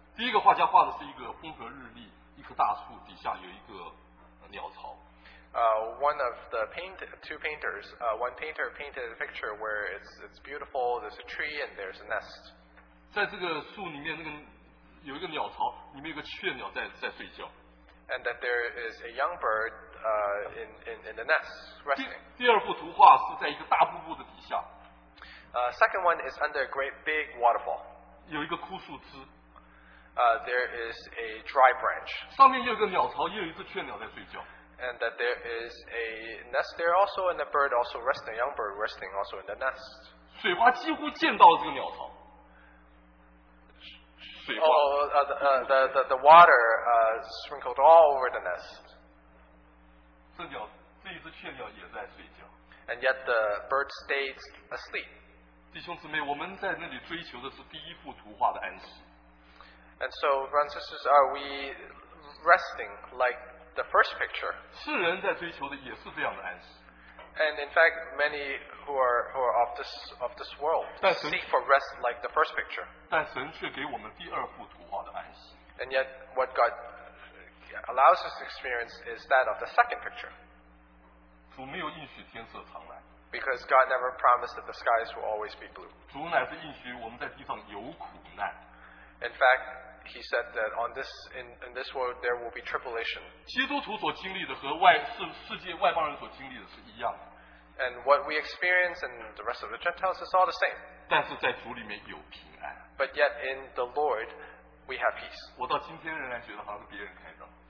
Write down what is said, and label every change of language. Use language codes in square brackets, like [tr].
[zh] 第一个画家画的是一个风和日丽，一棵大树底下有一个鸟巢。 [en] One of the two painters, one painter painted a picture where it's beautiful, there's a tree and there's a nest. [zh] 在这个树里面，那个有一个鸟巢，里面有个雀鸟在睡觉。 [en] And that there is a young bird in the nest resting. [zh] 第二幅图画是在一个大瀑布的底下。 [en] Second one is under a great big waterfall. [zh] 有一个枯树枝。 [en] There is a dry branch. [zh] 上面又有一个鸟巢，又有一只雀鸟在睡觉。 [en] And that there is a nest there also, and a bird also resting, a young bird resting also in the nest. [zh] 水花几乎见到了这个鸟巢。水花。 [en] The water sprinkled all over the nest. [zh] 这一只雀鸟也在睡觉。 [en] And yet the bird stayed asleep. [zh] 弟兄姊妹，我们在那里追求的是第一幅图画的安息。 [en] And so, brothers and sisters, are we resting like the first picture? [zh] 世人在追求的也是这样的安息。 [en] And in fact, many who are of this world seek for rest like the first picture. [zh] 但神却给我们第二幅图画的安息。 [en] And yet, what God allows us to experience is that of the second picture. [zh] 主没有应许天色常蓝。 [en] Because God never promised that the skies will always be blue. [zh] 主乃是应许我们在地上有苦难。 [en] In fact, he said that in this world there will be tribulation. [zh] 基督徒所经历的和外世世界外邦人所经历的是一样的。 [en] And what we experience and the rest of the Gentiles is all the same. [zh] 但是在主里面有平安。 [en] But yet in the Lord we have peace. [zh] 我到今天仍然觉得好像是别人开的。